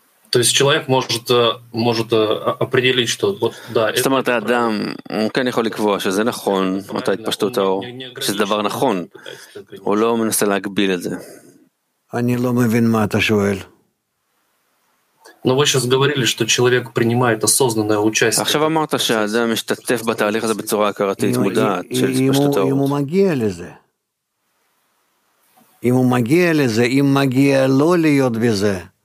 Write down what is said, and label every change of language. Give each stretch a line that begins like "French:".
Russian: То есть человек может определить, что вот да, это стоматолог Адам, он
Hebrew: כן יכול לקבוע שזה נכון, אותה התפשטות האור, שזה דבר נכון. הוא לא מנסה להגביל את זה. אני לא מבין מה אתה שואל.
Russian: Но вы сейчас говорили, что человек принимает осознанное участие.
Hebrew: עכשיו אמרת שאדם משתתף בתהליך הזה בצורה הכרתית, מודעת של התפשטות האור. אם הוא מגיע לזה, אם מגיע לו להיות בזה.